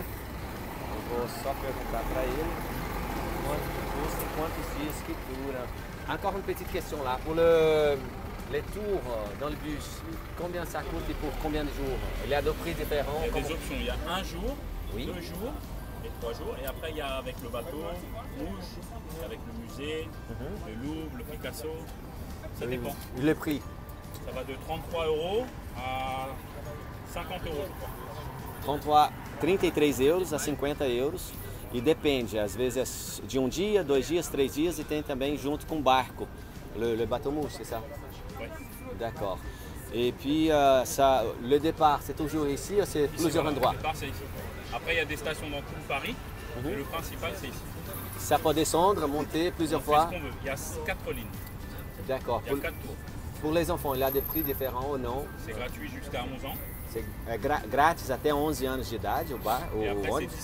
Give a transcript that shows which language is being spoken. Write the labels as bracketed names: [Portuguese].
[Portuguese] Eu vou só perguntar para ele quanto que custa e quantos dias que dura. [French] Encore une petite question là, pour le tour dans le bus, combien ça coûte et pour combien de jours? Il y a deux prix différents. Il y a des options, il y a un jour, oui. Deux jours. Et trois jours, et après il y a avec le bateau rouge, avec le musée, le Louvre, le Picasso, ça dépend. Le prix? Ça va de 33 euros à 50 euros, je crois. 33 euros à 50 euros. [Portuguese] E depende, às vezes é de um dia, dois dias, três dias, e tem também junto com o barco. [French] Le bateau mousse, c'est ça? Oui. D'accord. Et puis, ça, le départ, c'est toujours ici ou c'est plusieurs endroits? Le départ, c'est ici. Après, il y a des stations dans tout Paris, et le principal, c'est ici. Ça peut descendre, monter plusieurs fois? C'est ce qu'on veut. Il y a quatre lignes. D'accord. Il y a quatre tours. Pour les enfants, il y a des prix différents ou non? C'est gratuit jusqu'à 11 ans. [Portuguese] É grátis até 11 anos de idade, o bar, o ônibus.